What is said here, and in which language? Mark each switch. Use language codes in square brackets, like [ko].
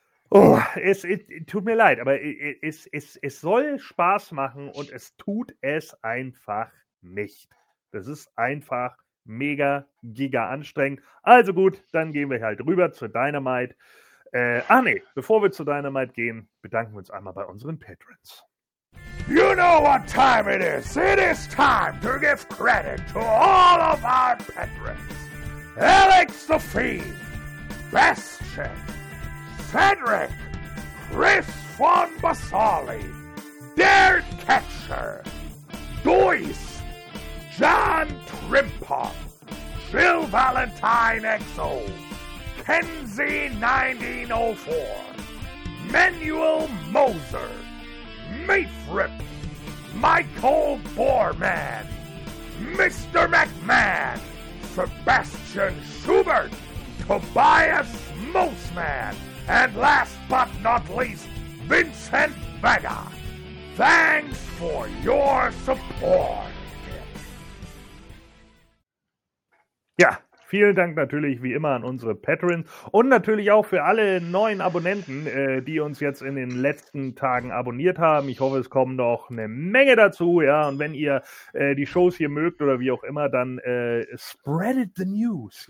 [de] Oh, es tut mir leid, aber es soll Spaß machen und es tut es einfach nicht. Das ist einfach mega, giga anstrengend. Also gut, dann gehen wir halt rüber zu Dynamite. Bevor wir zu Dynamite gehen, bedanken wir uns einmal bei unseren Patrons. [en] You know what time it is. It is time to give credit to all of our patrons. Alex the Fiend, Bastion, Cedric, Chris von Basali, Dare Catcher, Dois, John Trimpop, Jill Valentine XO, Kenzie 1904, Manuel Moser, Mayfrip, Michael Boorman, Mr. McMahon, Sebastian Schubert, Tobias Moseman, and last but not least, Vincent Vega. Thanks for your support. [de] Ja, vielen Dank natürlich wie immer an unsere Patrons und natürlich auch für alle neuen Abonnenten, die uns jetzt in den letzten Tagen abonniert haben. Ich hoffe, es kommen noch eine Menge dazu. Ja, und wenn ihr die Shows hier mögt oder wie auch immer, dann [en] spread it the news.